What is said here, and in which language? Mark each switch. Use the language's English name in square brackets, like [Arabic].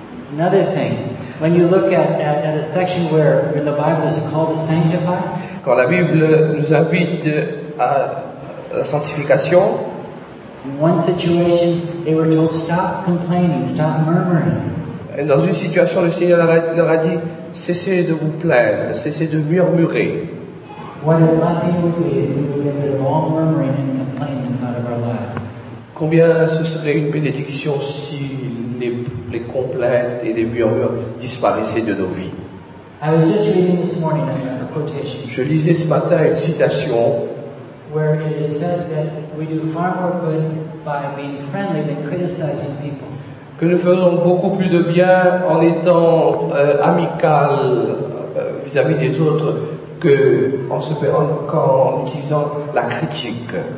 [English] Another thing, when you look at a section where the Bible is called to sanctify, [French] quand la Bible nous invite à la sanctification, [English] in one situation they were told stop complaining, stop murmuring. [French] Et dans une situation, le Seigneur leur a dit cessez de vous plaindre, cessez de murmurer. [English] What a blessing would be if we would get rid of all murmuring and complaining out of our lives. [French] Combien ce serait une bénédiction si les complaintes et les murmures disparaissaient de nos vies. [English] I was just reading this morning a quotation. [French] Je lisais ce matin une citation [English] where it is said that we do far more good by being friendly than criticizing people. [French] Que nous faisons beaucoup plus de bien en étant amical vis-à-vis des autres que en se perdant qu'en utilisant la critique.